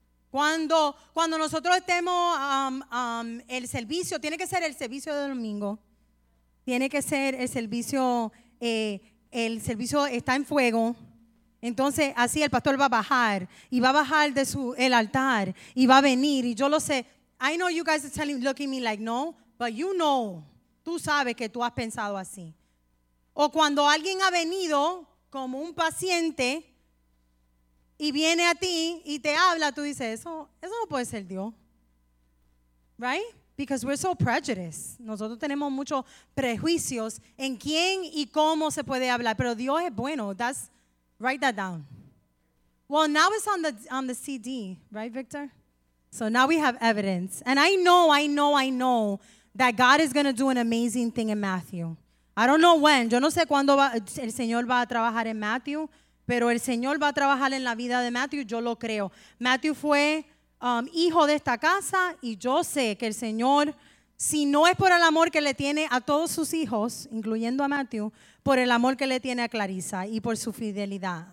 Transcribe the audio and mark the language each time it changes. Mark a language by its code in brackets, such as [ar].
[es] Cuando nosotros estemos, el servicio, tiene que ser el servicio de domingo, tiene que ser el servicio está en fuego, entonces así el pastor va a bajar, y va a bajar de el altar, y va a venir, y yo lo sé. [en] I know you guys are looking at me like, no, but you know, [es] tú sabes que tú has pensado así. O cuando alguien ha venido como un paciente, y viene a ti y te habla, tú dices, eso no puede ser Dios. Right? [en] Because we're so prejudiced. [es] Nosotros tenemos muchos prejuicios en quién y cómo se puede hablar. Pero Dios es bueno. [en] That's, write that down. Well, now it's on the CD, right, Victor? So now we have evidence. And I know that God is going to do an amazing thing in Matthew. I don't know when. [es] Yo no sé cuándo el Señor va a trabajar en Matthew. Pero el Señor va a trabajar en la vida de Matthew. Yo lo creo. Matthew fue hijo de esta casa. Y yo sé que el Señor, si no es por el amor que le tiene a todos sus hijos, incluyendo a Matthew, por el amor que le tiene a Clarissa y por su fidelidad.